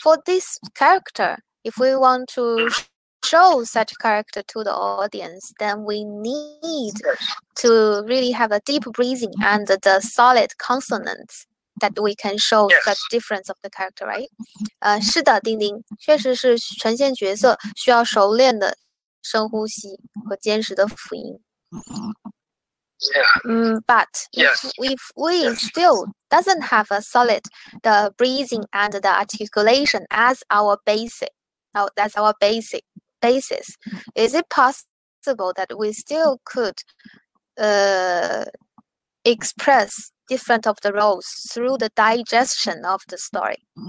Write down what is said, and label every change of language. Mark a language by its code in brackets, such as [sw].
[en] for this character, if we want to show such character to the audience, then we need yes. to really have a deep breathing and the solid consonants that we can show yes. such difference of the character, right? [zh] 是的，丁丁，确实是呈现角色需要熟练的深呼吸和坚实的辅音。 [en] Yeah. But if, yes. if we yes. still doesn't have a solid the breathing and the articulation as our basic, that's our basic basis, is it possible that we still could express different of the roles through the digestion of the story?